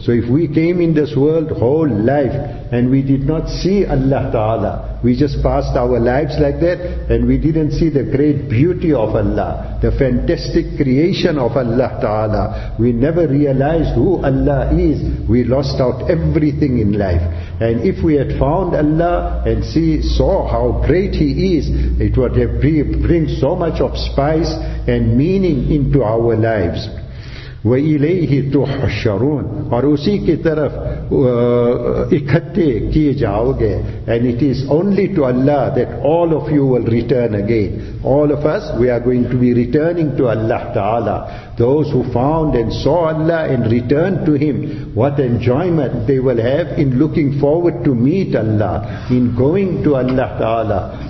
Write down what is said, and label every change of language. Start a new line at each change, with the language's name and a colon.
English: So if we came in this world whole life and we did not see Allah Ta'ala, we just passed our lives like that and we didn't see the great beauty of Allah, the fantastic creation of Allah Ta'ala. We never realized who Allah is. We lost out everything in life. And if we had found Allah and saw how great He is, it would have bring so much of spice and meaning into our lives.
Arabic: وَإِلَيْهِ تُحْشَرُونَ
Urdu: اور اسی کی طرف اکھتے کیے جاؤ گے.
English: And it is only to Allah that all of you will return again. All of us, we are going to be returning to Allah Ta'ala. Those who found and saw Allah and returned to Him, what enjoyment they will have in looking forward to meet Allah, in going to Allah Ta'ala.